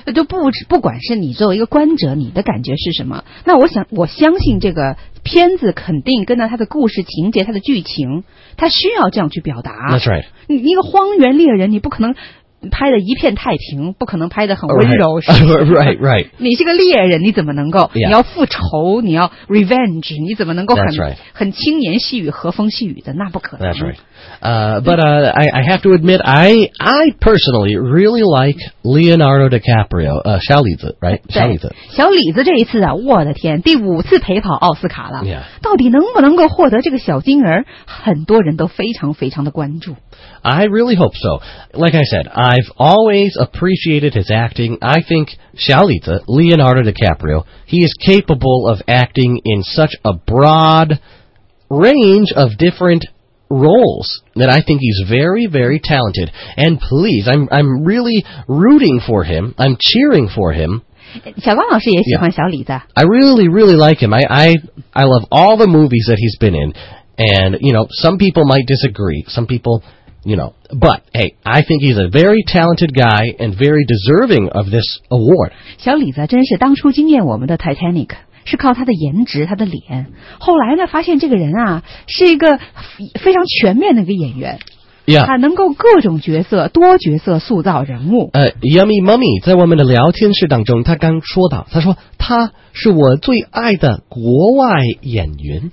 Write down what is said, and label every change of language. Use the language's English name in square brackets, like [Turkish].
[Chinese] 就不管是你作为一个观者，你的感觉是什么？那我相信这个片子肯定跟着他的故事情节、他的剧情，他需要这样去表达。 [English] That's right。 [Chinese] 你一个荒原猎人，你不可能。拍的一片太平，不可能拍的很温柔。 [English] Right. [Chinese] 你是个猎人，你怎么能够？ [English] Yeah. [Chinese] 你要复仇，你要 revenge， 你怎么能够很、 [English] right. [Chinese] 很轻言细语、和风细语的？那不可能。 [English] That's right. But I have to admit, I personally really like Leonardo DiCaprio. [Chinese] 小李子 ，right？ 小李子。小李子这一次啊，我的天，第五次陪跑奥斯卡了。 [English] Yeah. [Chinese] 到底能不能够获得这个小金人？很多人都非常非常的关注。 [English] I really hope so. Like I said, I've always appreciated his acting. I think 小李子 Leonardo DiCaprio, he is capable of acting in such a broad range of different roles that I think he's very, very talented. And please, I'm really rooting for him. I'm cheering for him. [Chinese] 小光老师也喜欢小李子。 [English] Yeah. I really, really like him. I love all the movies that he's been in. And, you know, some people might disagree. Some people... You know, but hey, I think he's a very talented guy and very deserving of this award. [Chinese] 小李子真是当初惊艳我们的 Titanic， 是靠他的颜值、他的脸。后来呢，发现这个人啊，是一个非常全面的一个演员。 [English] Yeah. [Chinese] 他能够各种角色、多角色塑造人物。 Yummy Mummy 在我们的聊天室当中，他刚说到，他说他是我最爱的国外演员，